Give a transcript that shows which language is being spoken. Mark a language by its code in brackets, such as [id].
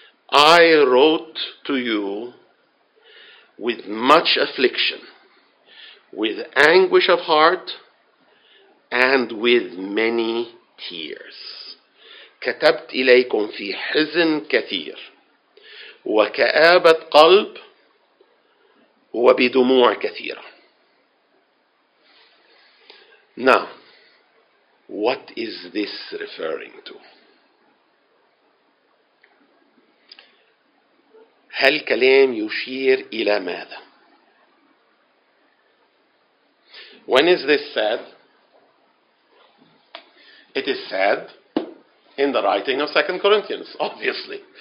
[en] I wrote to you with much affliction, with anguish of heart, and with many tears. [ar] كتبت إليكم في حزن كثير وكآبة قلب وبدموع كثيرة. [en] Now, what is this referring to? [ar] هل كلام يشير إلى ماذا؟ [en] When is this said? It is said in the writing of 2 Corinthians, obviously.